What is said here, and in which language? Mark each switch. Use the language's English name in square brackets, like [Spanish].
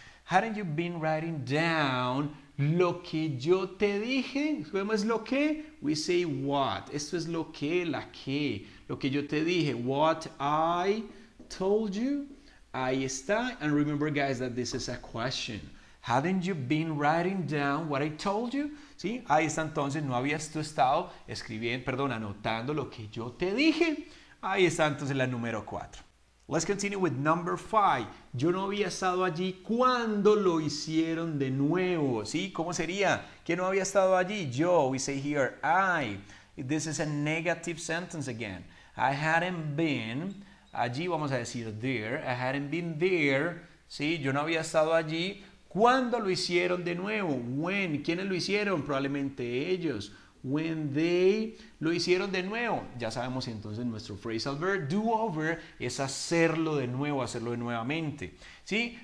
[English] Hadn't you been writing down [Spanish] lo que yo te dije? ¿Cómo es lo que? [English] We say what. [Spanish] Esto es lo que, la que. Lo que yo te dije. [English] What I told you. [Spanish] Ahí está. [English] And remember, guys, that this is a question. Hadn't you been writing down what I told you? [Spanish] ¿Sí? Ahí está entonces. ¿No habías tú estado escribiendo, perdón, anotando lo que yo te dije? Ahí está entonces la número 4. [English] Let's continue with number 5. [Spanish] Yo no había estado allí cuando lo hicieron de nuevo. ¿Sí? ¿Cómo sería? ¿Que no había estado allí? [English] Yo. We say here, I. This is a negative sentence again. I hadn't been. [Spanish] Allí vamos a decir there. [English] I hadn't been there. [Spanish] ¿Sí? Yo no había estado allí cuando lo hicieron de nuevo. When. ¿Quiénes lo hicieron? Probablemente ellos. [English] When they [Spanish] lo hicieron de nuevo. Ya sabemos entonces nuestro phrasal verb. Do over es hacerlo de nuevo, hacerlo de nuevamente. ¿Sí?